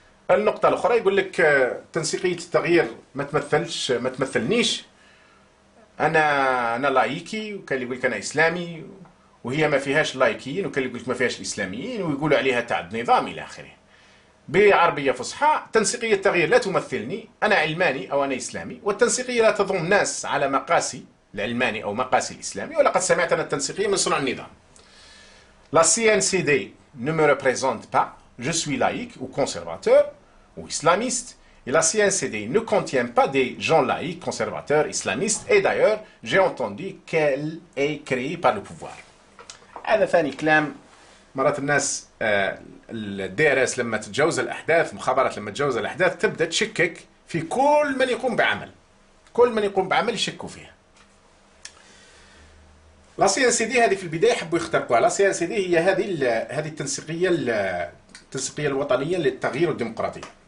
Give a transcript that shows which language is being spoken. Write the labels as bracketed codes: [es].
[ar] النقطه الاخرى يقول لك تنسيقيه التغيير ما تمثلنيش، انا لايكي، وكان يقول لك انا اسلامي، وهي ما فيهاش لايكيين، وكان يقول لك ما فيهاش الاسلاميين، ويقولوا عليها تعد نظام الى اخره. بعربية فصحى، تنسيقية التغيير لا تمثلني، أنا علماني أو أنا إسلامي، والتنسيقية لا تضم ناس على مقاسي العلماني أو مقاسي الإسلامي، ولقد سمعت أن التنسيقية من صنع النظام. [fr] La CNCD ne me représente pas, je suis laïque ou conservateur ou islamiste, et la CNCD ne contient pas des gens laïques, conservateurs, islamistes, et d'ailleurs, j'ai entendu qu'elle est créée par le pouvoir. [ar] هذا ثاني كلام. مرات الناس الدي ار اس لما تتجاوز الاحداث، المخابرات لما تتجاوز الاحداث، تبدا تشكك في كل من يقوم بعمل، كل من يقوم بعمل يشكوا فيها. لا سي ان سي دي هذه في البدايه حبوا يخترقوها. لا سي ان سي دي هي هذه التنسيقيه الوطنيه للتغيير والديمقراطيه.